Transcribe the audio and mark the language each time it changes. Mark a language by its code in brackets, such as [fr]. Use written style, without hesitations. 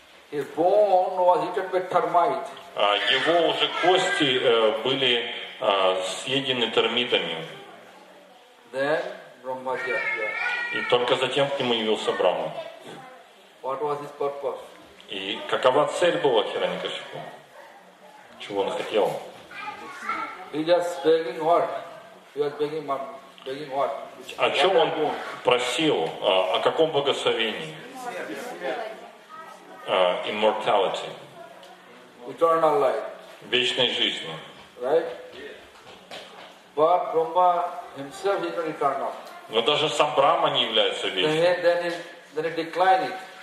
[en] His bone was eaten by termite. [ru] Его уже кости были съедены термитами. [en] Then Brahma appeared. [ru] И только затем к нему явился Брахма. [en] What was his purpose? [ru] И какова цель была Хираньякашипу? Чего он хотел? [en] He was begging what? He was begging money. [ru] О чем он просил? О каком благословении? [en] Immortality. Eternal life. [ru] Вечной жизни. [en] But Brahma himself is not eternal. [ru] Но даже сам Брахма не является вечным.